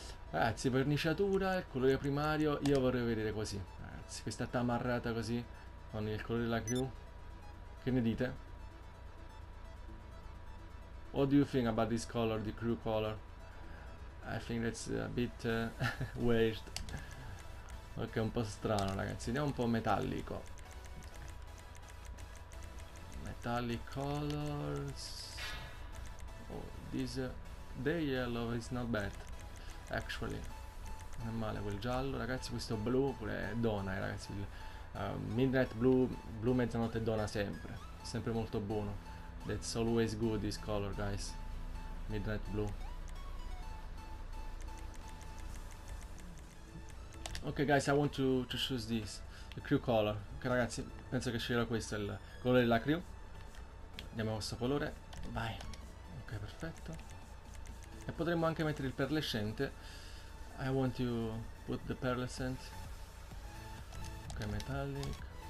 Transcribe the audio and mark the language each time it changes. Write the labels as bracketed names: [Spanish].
[Italian] Ragazzi, verniciatura, il colore primario, io vorrei vedere così. Ragazzi, questa tamarrata così, con il colore della crew. Che ne dite? [English] What do you think about this color, the crew color? I think that's a bit weird. Ok, [Italian] un po' strano, ragazzi. Vediamo un po' metallico. [English] Metallic colors. Oh, this the yellow is not bad. [Italian] Actually, non male quel giallo, ragazzi. Questo blu pure è dona, ragazzi. Midnight blu, blu mezzanotte dona sempre. Sempre molto buono. [English] That's always good, this color, guys. Midnight blue. Ok, guys, I want to choose this, the crew color. [Italian] Ok, ragazzi, penso che sceglierò questo, il colore della crew. Andiamo a questo colore. Vai. Ok, perfetto. E potremmo anche mettere il pearlescente. [English] I want to put the pearlescent. Ok, metallic.